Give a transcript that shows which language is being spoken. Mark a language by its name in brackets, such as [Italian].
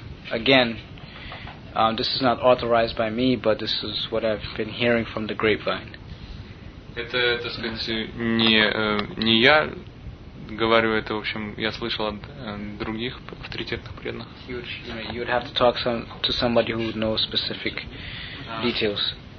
[English] Again, this is not authorized by me, but this is what I've been hearing from the grapevine. [Russian] Это, так сказать, не я говорю это, в общем, я слышал от других авторитетных преданных. [English] You would have to talk to somebody who would know specific details.